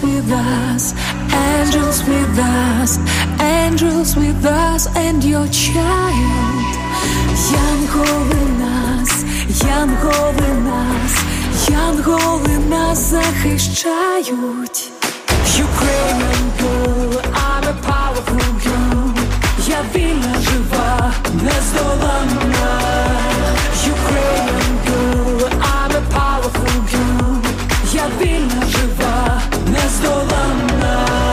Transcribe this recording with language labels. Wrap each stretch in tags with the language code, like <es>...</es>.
<en>Angels with us, angels with us, and your child.</en> <uk>Янгол у нас, Янгол у нас, Янгол у нас захищають.</uk> <en>Ukrainian girl, I'm a powerful girl.</en> <uk>Я вільна, жива, нездоланна.</uk> <en>Ukrainian girl, I'm a powerful girl.</en> <uk>Я вільна, жива, нездоланна.</uk>